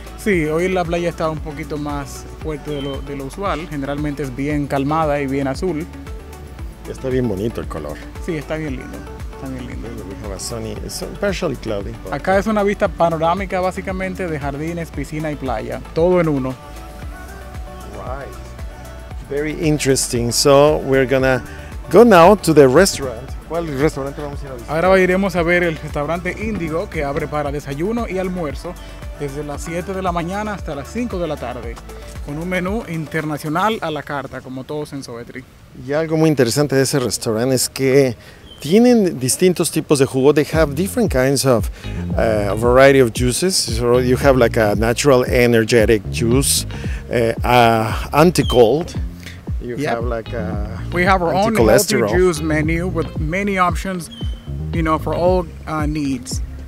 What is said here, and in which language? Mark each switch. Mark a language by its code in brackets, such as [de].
[es] Sí, hoy la playa está un poquito más fuerte de lo usual. Generalmente es bien calmada y bien azul. Está bien bonito el color. Sí, está bien lindo. Está bien lindo. [en] We have a sunny, it's partially cloudy. [es] Acá es una vista panorámica básicamente de jardines, piscina y playa, todo en uno. [en] Right. Very interesting. So we're gonna go now to the restaurant. [es] ¿Cuál restaurante vamos a ir a visitar? Ahora iremos a ver el restaurante Índigo, que abre para desayuno y almuerzo desde las 7 de la mañana hasta las 5 de la tarde, con un menú internacional a la carta, como todos en Zoetri. Y algo muy interesante de ese restaurante es que tienen distintos tipos de jugo. [en] They have different kinds of a variety of juices. So you have like a natural energetic juice, anti-cold. You yep. have like a We have our own healthy juice menu with many options, you know, for all needs.